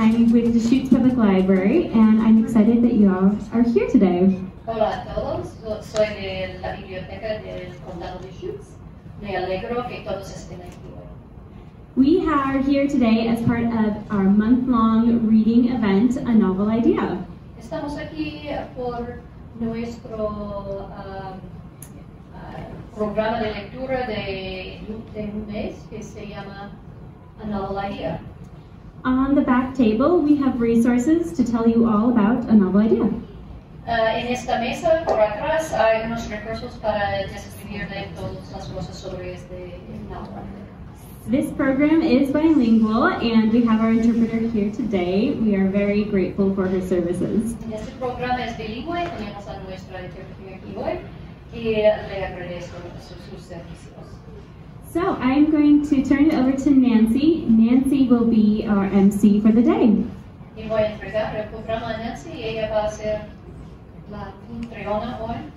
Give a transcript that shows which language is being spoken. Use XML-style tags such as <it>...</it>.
<en>with the Deschutes Public Library, and I'm excited that you all are here today.</en> <es>Hola a todos, soy de la Biblioteca del Condado de Deschutes. Me alegro que todos estén aquí.</es> <en>We are here today as part of our month-long reading event, A Novel Idea.</en> <es>Estamos aquí por nuestro programa de lectura de un mes que se llama A Novel Idea.</es> <en>On the back table, we have resources to tell you all about A Novel Idea.</en> <es>En esta mesa, por atrás, hay unos recursos para describirle todas las cosas sobre este novel.</es> <en>This program is bilingual, and we have our interpreter here today. We are very grateful for her services.</en> <es>Este programa es bilingüe, tenemos a nuestra interpreter aquí hoy, y le agradezco sus servicios.</es> <en>So, I'm going to turn it over to Nancy. Nancy will be our MC for the day.</en> <es>Y voy a entregar el programa a Nancy, y ella va a ser la anfitriona hoy.</es>